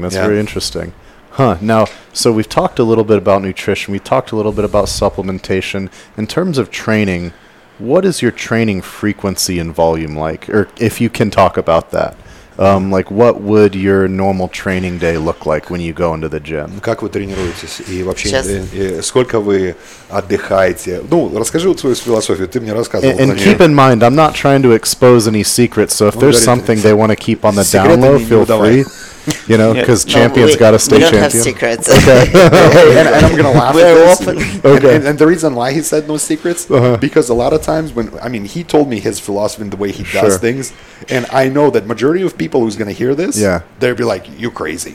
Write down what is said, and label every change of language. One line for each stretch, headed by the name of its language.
English: That's very interesting. Huh. Now, so we've talked a little bit about nutrition. We talked a little bit about supplementation. In terms of training, what is your training frequency and volume like? Or if you can talk about that. Like, what would your normal training day look like when you go into the gym?
Russian: Как вы тренируетесь? И вообще, сколько вы отдыхаете? Ну, расскажи вот свою философию, ты мне рассказывал.
English: And keep in mind, I'm not trying to expose any secrets, so if there's something they want to keep on the down low, feel free. You know, because champions got to stay champions. We don't have secrets. Okay. and I'm going to laugh We're at this. Open. Okay. And the reason why he said no secrets, because a lot of times when, I mean, he told me his philosophy and the way he does things, and I know that majority of people who's going to hear this, they'll be like, you crazy.